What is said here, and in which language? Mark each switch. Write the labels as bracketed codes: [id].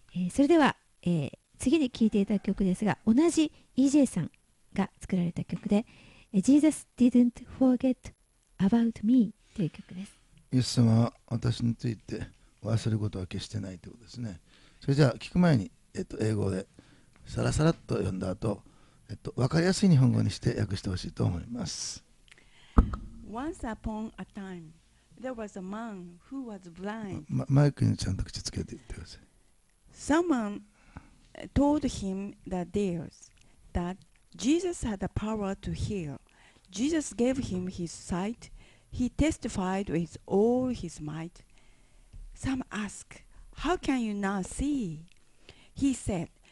[ja] それでは、次に聴いていただく曲ですが、同じ EJ さんが作られた曲で、 [en] Jesus didn't forget about me [ja] という曲です。イエス様は私について忘れることは決してないということですね。それじゃあ聞く前に、英語でサラサラと読んだ後、分かりやすい日本語にして訳してほしいと思います。 [en] Once upon a time, there was a man who was blind. [ja] マイクにちゃんと口つけて言ってください。 [en] Someone told him that that Jesus had the power to heal. Jesus gave him his sight. He testified with all his might. Some asked, "How can you not see?" He said,